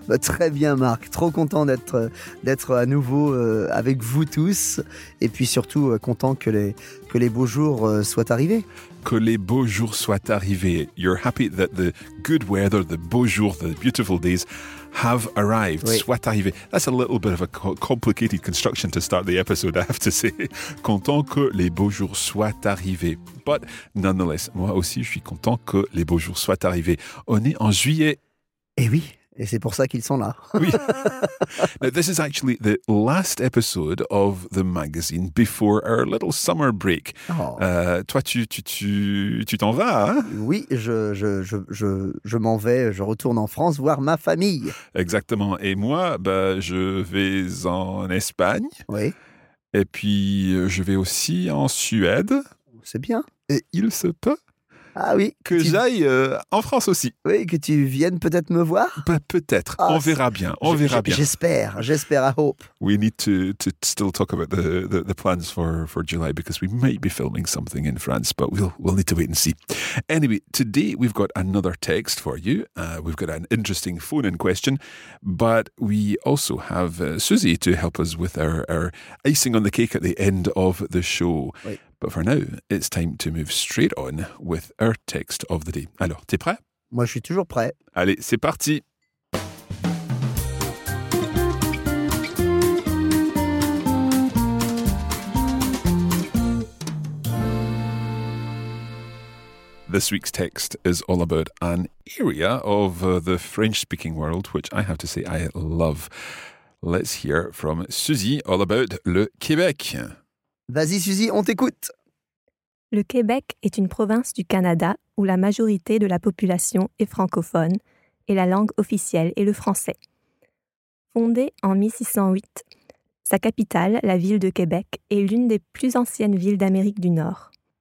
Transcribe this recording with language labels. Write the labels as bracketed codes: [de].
[fr] Bah, très bien Marc, trop content d'être à nouveau avec vous tous. Et puis surtout content que les beaux jours soient arrivés. Que les beaux jours soient arrivés. [en] You're happy that the good weather, the beaux jours, the beautiful days have arrived, [fr] oui. Soit arrivé. [en] That's a little bit of a complicated construction to start the episode, I have to say. [fr] Content que les beaux jours soient arrivés. [en] But nonetheless, [fr] moi aussi, je suis content que les beaux jours soient arrivés. On est en juillet. Eh oui, et c'est pour ça qu'ils sont là. Oui. [en] Now, this is actually the last episode of the magazine before our little summer break. Oh. [fr] Toi, tu t'en vas, hein? Oui, je m'en vais, je retourne en France voir ma famille. Exactement. Et moi, bah, je vais en Espagne. Oui. Et puis, je vais aussi en Suède. C'est bien. Et il se peut. Ah oui. Que j'aille en France aussi. Oui, que tu viennes peut-être me voir. Bah, peut-être. Oh, on verra bien. On verra bien. J'espère. [en] I hope. We need to still talk about the plans for July because we might be filming something in France, but we'll need to wait and see. Anyway, today we've got another text for you. We've got an interesting phone-in question, but we also have Susie to help us with our icing on the cake at the end of the show. [fr] Oui. [en] But for now, it's time to move straight on with our text of the day. [fr] Alors, t'es prêt? Moi, je suis toujours prêt. Allez, c'est parti! [en] This week's text is all about an area of the French-speaking world, which I have to say I love. Let's hear from Suzy all about le Québec. [fr] Vas-y, Suzy, on t'écoute! Le Québec est une province du Canada où la majorité de la population est francophone et la langue officielle est le français. Fondée en 1608, sa capitale, la ville de Québec, est l'une des plus anciennes villes d'Amérique du Nord.